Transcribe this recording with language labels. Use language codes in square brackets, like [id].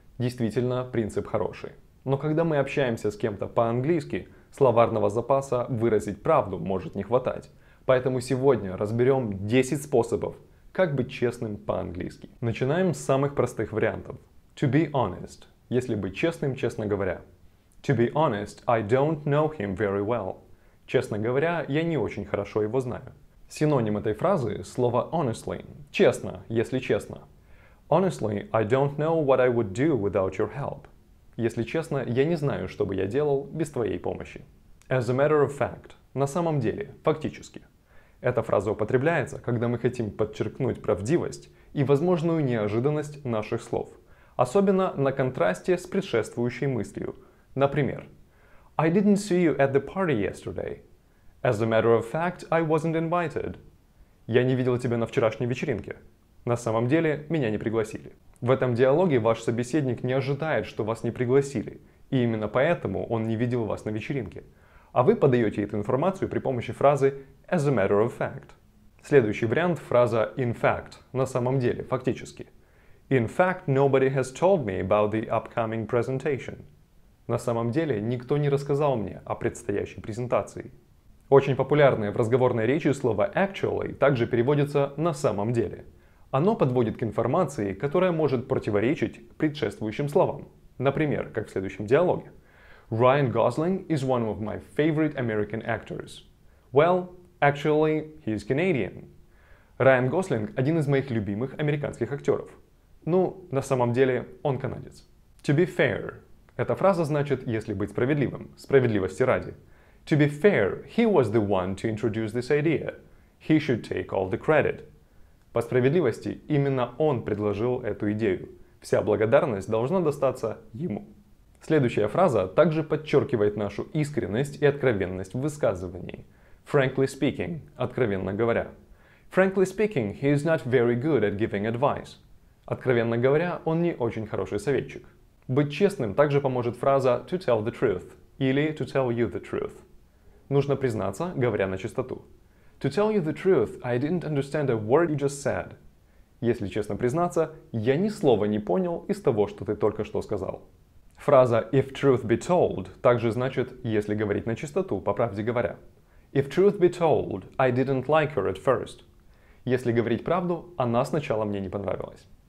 [ru] Действительно, принцип хороший. Но когда мы общаемся с кем-то по-английски, словарного запаса выразить правду может не хватать. Поэтому сегодня разберем 10 способов, как быть честным по-английски. Начинаем с самых простых вариантов. [en] To be honest. [ru] Если быть честным, честно говоря. [en] To be honest, I don't know him very well. [ru] Честно говоря, я не очень хорошо его знаю. Синоним этой фразы – слово honestly – честно, если честно. [en] Honestly, I don't know what I would do without your help. [ru] Если честно, я не знаю, что бы я делал без твоей помощи. [en] As a matter of fact [ru] – на самом деле, фактически. Эта фраза употребляется, когда мы хотим подчеркнуть правдивость и возможную неожиданность наших слов, особенно на контрасте с предшествующей мыслью. Например, [en] I didn't see you at the party yesterday. As a matter of fact, I wasn't invited. [ru] Я не видел тебя на вчерашней вечеринке. На самом деле, меня не пригласили. В этом диалоге ваш собеседник не ожидает, что вас не пригласили, и именно поэтому он не видел вас на вечеринке. А вы подаете эту информацию при помощи фразы [en] as a matter of fact. [ru] Следующий вариант – фраза [en] in fact, [ru] на самом деле, фактически. [en] In fact, nobody has told me about the upcoming presentation. [ru] На самом деле, никто не рассказал мне о предстоящей презентации. Очень популярное в разговорной речи слово actually также переводится на самом деле. Оно подводит к информации, которая может противоречить предшествующим словам. Например, как в следующем диалоге. [en] Ryan Gosling is one of my favorite American actors. Well, actually, he's Canadian. [ru] Ryan Gosling – один из моих любимых американских актеров. Ну, на самом деле, он канадец. [en] To be fair [ru] – эта фраза значит, если быть справедливым, справедливости ради. [en] To be fair, he was the one to introduce this idea. He should take all the credit. [ru] По справедливости, именно он предложил эту идею. Вся благодарность должна достаться ему. Следующая фраза также подчеркивает нашу искренность и откровенность в высказывании. [en] Frankly speaking, [ru] откровенно говоря. [en] Frankly speaking, he is not very good at giving advice. [ru] Откровенно говоря, он не очень хороший советчик. Быть честным также поможет фраза [en] to tell the truth [ru] или [en] to tell you the truth. [ru] Нужно признаться, говоря начистоту. [en] To tell you the truth, I didn't understand a word you just said. [ru] Если честно признаться, я ни слова не понял из того, что ты только что сказал. Фраза [en] if truth be told [ru] также значит, если говорить начистоту, по правде говоря. [en] If truth be told, I didn't like her at first. [ru] Если говорить правду, она сначала мне не понравилась.